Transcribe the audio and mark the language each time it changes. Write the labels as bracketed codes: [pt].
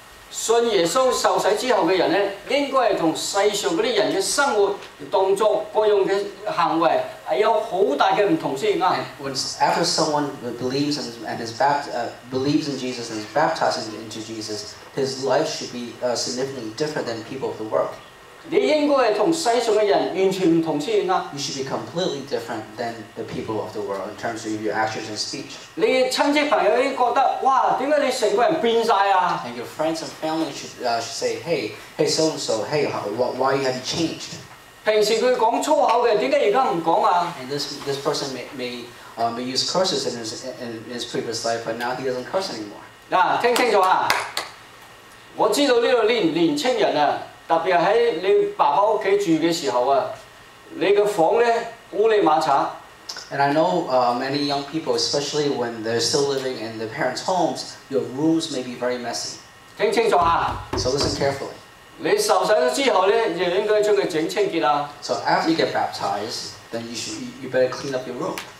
[yue] 信耶稣受洗之后嘅人咧，应该系同世上嗰啲人嘅生活、动作、各样嘅行为，系有好大嘅唔同先啱。 [en] When after someone believes and believes in Jesus and is baptized into Jesus, his life should be significantly different than people of the world. [yue] 你应该系同世上嘅人完全唔同先啱。 [en] You should be completely different than the people of the world in terms of your actions and speech. [yue] 你亲戚朋友已经觉得，哇，点解你成个人变晒啊？ [en] And your friends and family should say, hey, so and so, hey, why have you changed? [yue] 平时佢讲粗口嘅，点解而家唔讲啊？ [en] And this person may use curses in his previous life, but now he doesn't curse anymore. [yue] 嗱，听清楚啊！我知道呢度年青人啊。特別喺你爸爸屋企住嘅時候啊，你嘅房咧烏哩馬查。 [en] And I know many young people, especially when they're still living in their parents' homes, your rooms may be very messy. [yue] 聽清楚啊。 [en] So listen carefully. [yue] 你受洗咗之後咧，就應該將佢整清潔啊。 [en] So after you get baptized, then you better clean up your room.